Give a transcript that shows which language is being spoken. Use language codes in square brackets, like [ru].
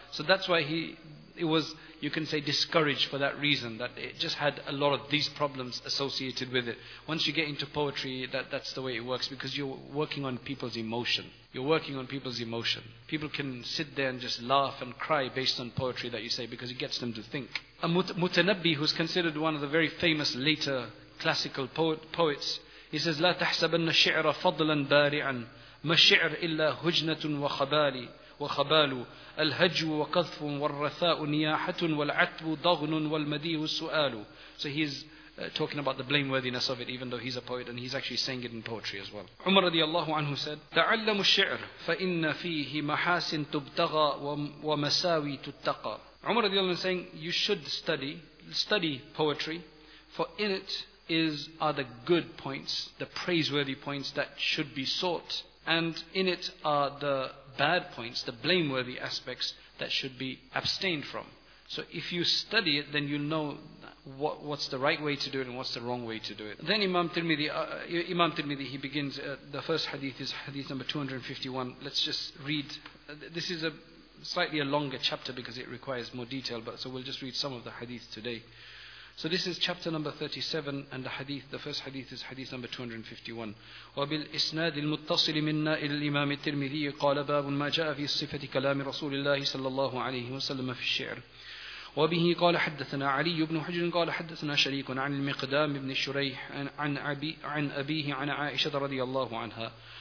[en] So that's why he was discouraged for that reason, that it just had a lot of these problems associated with it. Once you get into poetry, that's the way it works, because you're working on people's emotion. People can sit there and just laugh and cry based on poetry that you say, because it gets them to think. A Mutanabbi, who's considered one of the very famous later classical poets, he says, [ar] لَا تَحْسَبَنَّ الشِّعْرَ فَضْلًا بَارِعًا مَا الشِّعْرْ إِلَّا هُجْنَةٌ وَخَبَالِي وخبال الهج وقذف والرثاء نياحة والعتب ضغن والمديه السؤال. [en] So he's talking about the blameworthiness of it, even though he's a poet and he's actually saying it in poetry as well. Umar radiallahu anhu said, [ar] تعلم الشعر فإن فيه محاسن تبتغى ومساوي تتقى. [en] Umar radiallahu anhu saying, you should study poetry, for in it are the good points, the praiseworthy points that should be sought, and in it are the bad points, the blameworthy aspects that should be abstained from. So if you study it, then you'll know what's the right way to do it and what's the wrong way to do it. Then Imam Tirmidhi, he begins, the first hadith is hadith number 251. Let's just read, this is a slightly a longer chapter because it requires more detail, but so we'll just read some of the hadith today. So this is chapter number 37, and the hadith, the first hadith is hadith number 251. [ar] وَبِالْ إِسْنَادِ الْمُتَّصِلِ مِنَّا إِلَى الْإِمَامِ التِّرْمِذِي قَالَ بَابٌ مَا جَاءَ فِي الصِّفَةِ كَلَامِ رَسُولِ اللَّهِ صَلَّى اللَّهُ عَلَيْهِ وَسَلَّمَ فِي الشِّعْرِ وبه قال حدثنا علي بن حجر قال حدثنا شريك عن المقدام بن الشريح عن أبيه عن عائشة رضي الله عنها